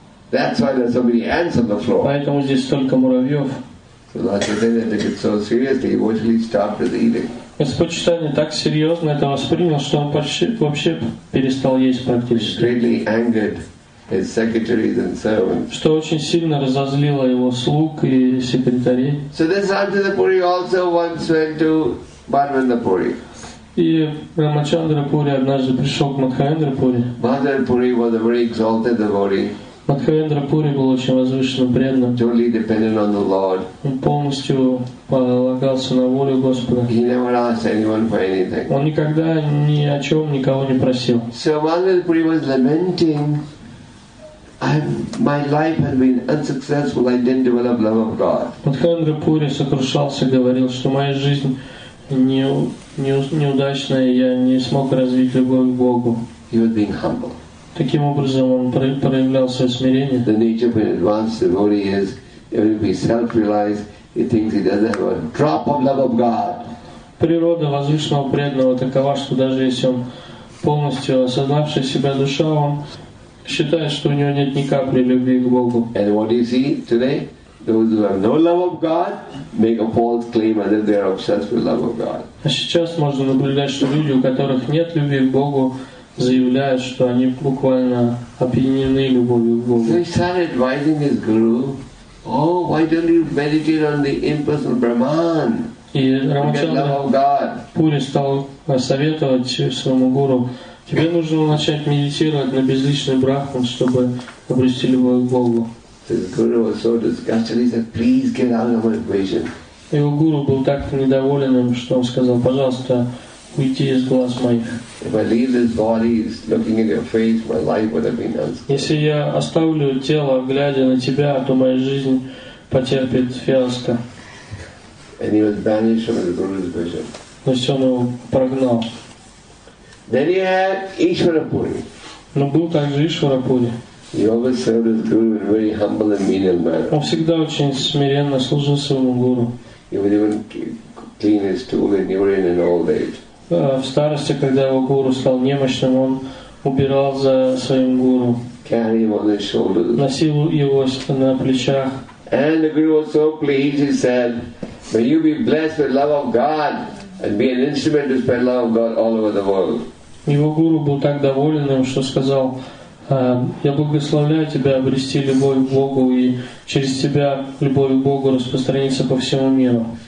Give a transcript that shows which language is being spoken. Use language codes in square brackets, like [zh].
[en] That's why there's so many ants on the floor. [ru] Поэтому здесь столько муравьев. [en] So Lord Chaitanya took it so seriously, he virtually stopped his eating. [ru] Господь Чайтанья так серьезно это воспринял, что он почти вообще перестал есть практически. [en] Greatly angered his secretaries and servants. [ru] Что очень сильно разозлило его слуг и секретарей. [en] So this Ramchandra Puri also once went to Bhadravendra Puri. [ru] И Рамачандра Пури однажды пришел к Мадхавендра Пури. [en] Bhadravendra Puri was a very exalted devotee. [ru] Мадхавендра Пури был очень возвышенным преданным. [en] Totally dependent on the Lord. [ru] Он полностью полагался на волю Господа. [en] He never asked anyone for anything. [ru] Он никогда ни о чем никого не просил. [en] So Bhadravendra Puri was lamenting, my life has been unsuccessful. I didn't develop love of God. [ru] Мадхавендра Пури сокрушался, говорил, что моя жизнь неудачная, я не смог развить любовь к Богу. [en] He was being humble. [ru] Таким образом, он проявлял свое смирение. [en] The nature of an advanced devotee is, even if he self-realized, he thinks he doesn't have a drop of love of God. [ru] Природа возвышенного преданного такова, что даже если он полностью осознавший себя душа, он считает, что у него нет ни капли любви к Богу. [en] And what do you see today? Those who have no love of God make a false claim as if they are obsessed with love of God. [ru] А сейчас можно наблюдать, что люди, у которых нет любви к Богу, заявляют, что они буквально опьянены любовью к Богу. [en] So he started advising his guru, "Oh, why don't you meditate on the impersonal Brahman?" [ru] И Рамачандра Пури стал советовать своему гуру: тебе нужно начать медитировать на безличный Брахман, чтобы обрести любовь к Богу. Его гуру был так недоволен им, что он сказал: пожалуйста, уйди из глаз моих. Если я оставлю тело, глядя на тебя, то моя жизнь потерпит фиаско. [en] And he was banished from the Guru's vision. Then he had Ishwarapuri. [ru] Но был также Ишварапури. [en] He always served his guru in a very humble and menial manner. [ru] Он всегда очень смиренно служил своему гуру. [en] He would even clean his tool and urine in old age. [ru] В старости, когда его гуру стал немощным, он убирал за своим гуру. [en] Carry him on his shoulders. [ru] Носил его на плечах. [en] And the guru was so pleased, he said, "May you be blessed with love of God and be an instrument to spread love of God all over the world." [ru] Его гуру был так доволен им, что сказал: «Я благословляю тебя обрести любовь к Богу, и через тебя любовь к Богу распространится по всему миру».